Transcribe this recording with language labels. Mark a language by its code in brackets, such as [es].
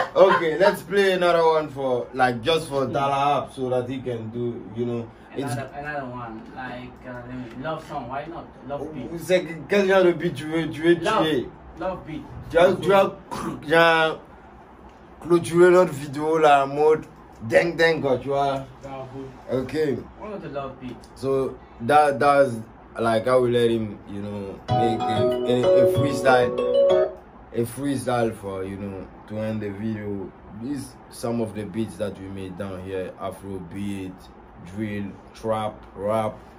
[en] Okay, let's play another one for like just for Dallahab so that he can do, you know. Another one, like love song. Why not love beat? [fr] Second, quel genre de beat tu veux? [en] Love beat. [fr] Tu as clôturé notre vidéo là en mode ding ding quoi, tu vois? [en] Okay. One of the love beat. So that's like I will let him, you know, make a freestyle. A freestyle for, you know, to end the video. These some of the beats that we made down here: Afro beat, drill, trap, rap,